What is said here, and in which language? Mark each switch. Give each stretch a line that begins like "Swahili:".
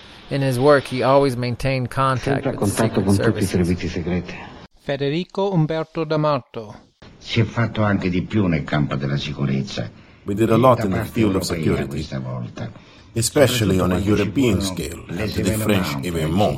English: In his work, he always maintained contact with the secret services. Federico Umberto D'Amato.
Italian: Si è fatto anche di più nel campo della sicurezza.
English: We did a lot in the field of security, especially on a European scale, and the French even more.